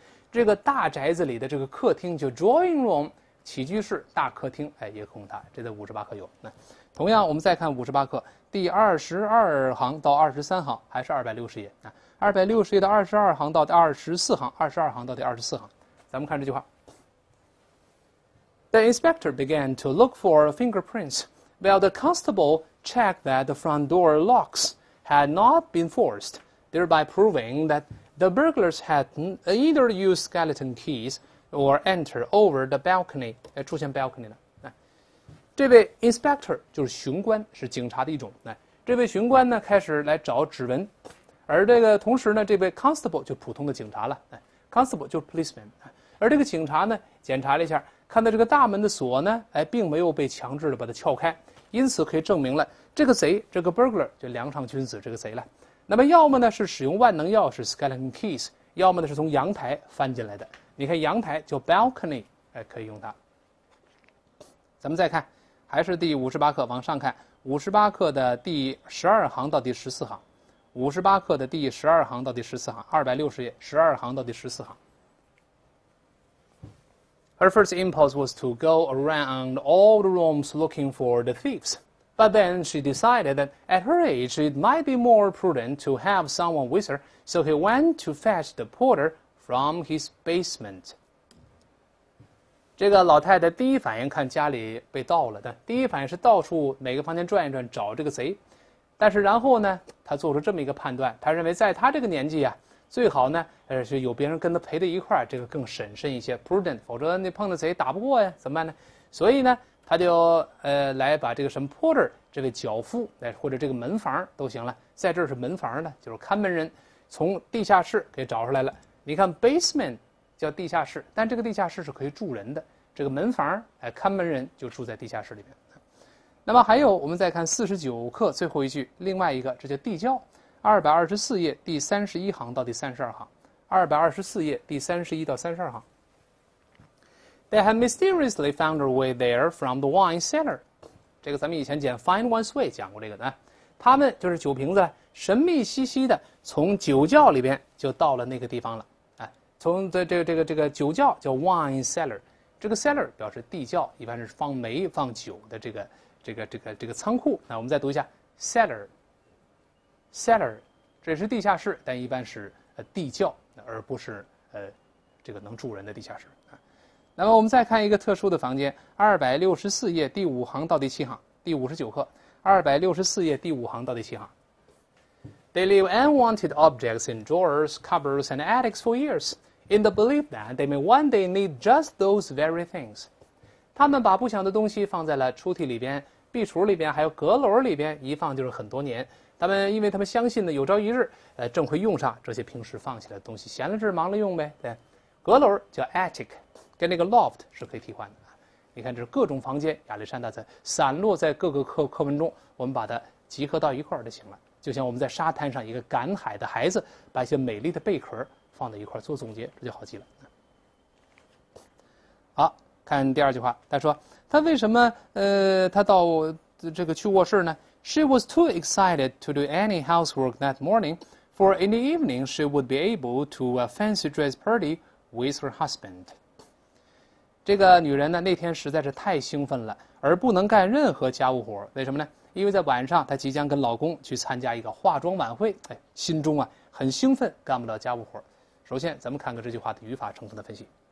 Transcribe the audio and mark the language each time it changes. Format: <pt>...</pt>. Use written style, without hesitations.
<zh>这个大宅子里的这个客厅就 drawing room， 起居室大客厅，也空它，这在58课有。同样我们再看58课第22行到23行，还是260页，260页的22行到第24行，咱们看这句话。</zh> <en>The inspector began to look for fingerprints. Well, the constable checked that the front door locks had not been forced, thereby proving that the burglars had either used skeleton keys or entered over the balcony.</en> <zh>出现 balcony 了。这位 inspector 就是巡官，是警察的一种。这位巡官呢开始来找指纹，而这个同时呢，这位 constable 就普通的警察了。 constable 就是 policeman， 而这个警察呢检查了一下，看到这个大门的锁呢，并没有被强制的把它撬开，因此可以证明了这个贼，这个 burglar 就梁上君子这个贼了。那么要么呢是使用万能钥匙 skeleton keys， 要么呢是从阳台翻进来的。你看阳台叫 balcony， 可以用它。咱们再看，还是第58课，往上看，58课的第12行到第14行，260页，12行到第14行。</zh> <en>Her first impulse was to go around all the rooms looking for the thieves. But then she decided that at her age, it might be more prudent to have someone with her. So he went to fetch the porter from his basement.</en> <zh>这个老太太第一反应看家里被盗了的，第一反应是到处每个房间转一转找这个贼。但是然后呢，她做出这么一个判断，她认为在她这个年纪啊，最好呢是有别人跟他陪在一块，这个更审慎一些 prudent， 否则你碰到贼打不过呀，怎么办呢？所以呢他就来把这个什么 porter 这个脚夫或者这个门房都行了，在这儿是门房呢，就是看门人，从地下室给找出来了。你看 basement 叫地下室，但这个地下室是可以住人的，这个门房看门人就住在地下室里面。那么还有我们再看49课最后一句，另外一个，这叫地窖，224页第31行到第32行，224页第31到32行。</zh> <en>They had mysteriously found their way there from the wine cellar.</en> <zh>这个咱们以前讲 Fine Wine Sway 讲过这个的。他们就是酒瓶子神秘兮兮的从酒窖里边就到了那个地方了。哎，从这个酒窖叫 Wine Cellar。这个 cellar 表示地窖，一般是放煤放酒的这个仓库。那我们再读一下 cellar， 这是地下室，但一般是地窖，而不是这个能住人的地下室。那么我们再看一个特殊的房间，264页第五行到第七行，第59课，264页第五行到第七行。</zh> <en>They leave unwanted objects in drawers, cupboards, and attics for years. In the belief that they may one day need just those very things.</en> <zh>他们把不想的东西放在了抽屉里边、壁橱里边、还有阁楼里边，一放就是很多年。他们因为他们相信呢，有朝一日，正会用上这些平时放起来的东西，闲了事忙了用呗。对，阁楼叫 attic， 跟那个 loft 是可以替换的。你看，这是各种房间，亚历山大在散落在各个课文中，我们把它集合到一块儿就行了。就像我们在沙滩上，一个赶海的孩子把一些美丽的贝壳放在一块做总结，这就好记了。好，看第二句话，他说他为什么他到这个去卧室呢？</zh> <en>She was too excited to do any housework that morning, for in the evening she would be able to a fancy dress party with her husband.</en> <zh>这个女人呢，那天实在是太兴奋了，而不能干任何家务活。为什么呢？因为在晚上她即将跟老公去参加一个化妆晚会，哎，心中啊很兴奋，干不了家务活。首先咱们看看这句话的语法成分的分析。</zh>